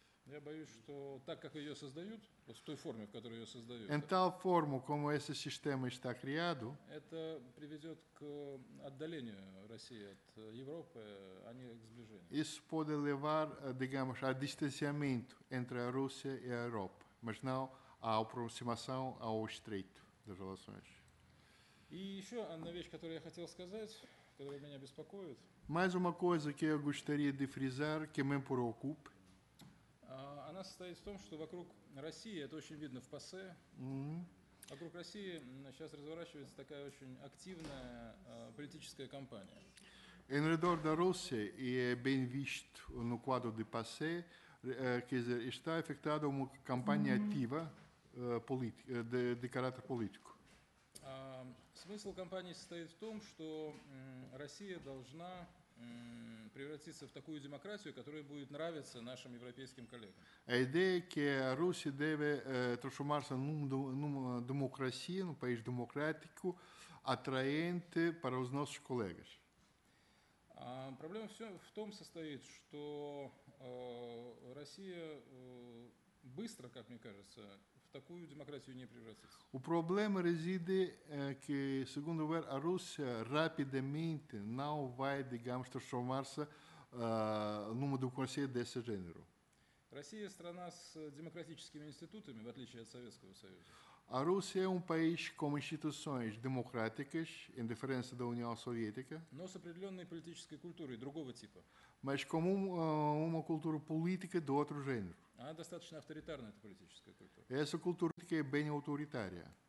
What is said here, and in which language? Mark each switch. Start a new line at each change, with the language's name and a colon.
Russian: Я боюсь, что так, как ее создают, в той форме, в которой ее создают,
Portuguese: em tal forma, como essa sistema está criado,
Russian: это приведет к отдалению России от Европы, а не к сближению.
Portuguese: Isso pode levar, digamos, a distanciamento entre a Rússia e a Europa, mas não à aproximação ao estreito das relações.
Russian: И еще одна вещь, которую я хотел сказать, которая меня беспокоит.
Portuguese: Mais uma coisa que eu gostaria de frisar, que me preocupa.
Russian: Она состоит в том, что вокруг России, это очень видно в ПАСЕ, вокруг России сейчас разворачивается такая очень активная политическая кампания.
Portuguese: Em redor da Rússia, e é bem visto no quadro de ПАСЕ, quer dizer, está efetuada uma campanha ativa de caráter político.
Russian: Смысл кампании состоит в том, что Россия должна превратиться в такую демократию, которая будет нравиться нашим европейским коллегам.
Portuguese: A ideia que a Rússia deve transformar-se numa democracia, num país democrático, atraente para os nossos colegas.
Russian: Проблема все в том состоит, что Россия быстро, как мне кажется, в такую демократию не превратится. У проблемы резиды,
Portuguese: que segundo ver a Rússia rapidamente não vai, digamos, transformar-se numa democracia desse gênero.
Russian: Россия страна с демократическими институтами, в отличие от Советского Союза.
Portuguese: A Rússia é país com instituições democráticas, em diferença da União Soviética.
Russian: Но с определенной политической культурой другого типа.
Portuguese: Mas com uma cultura política de outro gênero.
Russian: Она достаточно авторитарна, эта политическая культура.
Portuguese: Essa cultura é bem autoritária.